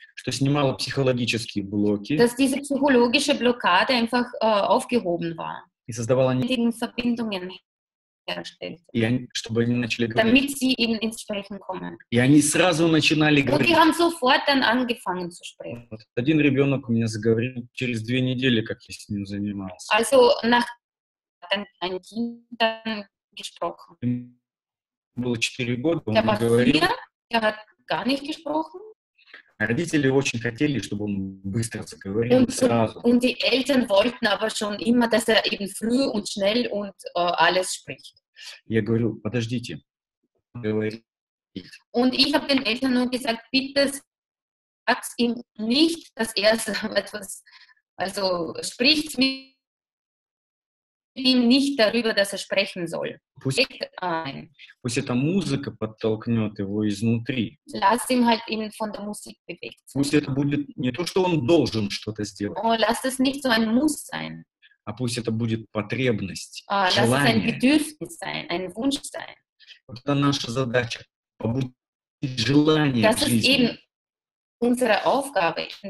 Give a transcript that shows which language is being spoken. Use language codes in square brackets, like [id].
[ru] что снимало психологические блоки, [de] dass diese psychologische Blockade einfach aufgehoben war. [ru] И создавало [de] die Verbindungen herstellt, damit sie eben ins Sprechen kommen. [ru] И они сразу начинали говорить. [de] Und die haben sofort dann angefangen zu sprechen. [ru] Один ребенок у меня заговорил через две недели, как я с ним занимался. [de] Also nach ein Kind dann gesprochen. [ru] Было 4 года, он не говорил. [de] Der hat gar nicht gesprochen. [ru] Родители очень хотели, чтобы он быстро заговорил und, сразу. [de] Und die Eltern wollten aber schon immer, dass eben früh und schnell und alles spricht. [ru] Я говорю, подождите, говорите. [de] Und ich habe den Eltern nur gesagt, bitte sagt es ihm nicht, dass er etwas, also spricht mit ihm nicht darüber, dass er sprechen soll. [ru] Пусть эта музыка подтолкнет его изнутри. [de] Lass ihn halt ihn von der Musik bewegt. [ru] Пусть это будет не то, что он должен что-то сделать. [de] Oh, lass es nicht so ein Muss sein. [ru] А пусть это будет потребность, желание. [de] Lass es ein Bedürfnis sein, ein Wunsch sein. [ru] Вот это наша задача, побудить желание [de] das [ru] к жизни. [de] Das ist eben unsere Aufgabe,